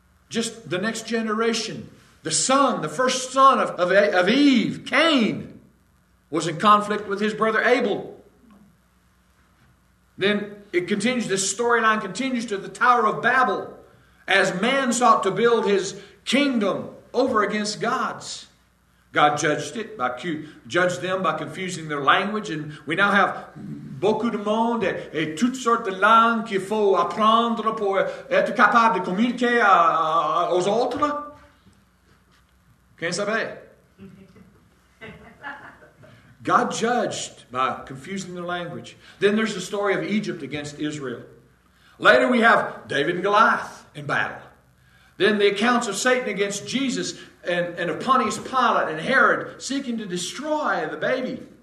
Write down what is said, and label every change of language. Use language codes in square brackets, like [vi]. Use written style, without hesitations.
[en] Just the next generation, the son, the first son of Eve, Cain, was in conflict with his brother Abel. Then it continues, this storyline continues to the Tower of Babel as man sought to build his kingdom over against God's. God judged it, judged them by confusing their language. And we now have [fr] beaucoup de monde et toutes sortes de langues qu'il faut apprendre pour être capable de communiquer aux autres. Qu'en savez? [en] God judged by confusing their language. Then there's the story of Egypt against Israel. Later we have David and Goliath in battle. Then the accounts of Satan against Jesus and of Pontius Pilate and Herod seeking to destroy the baby.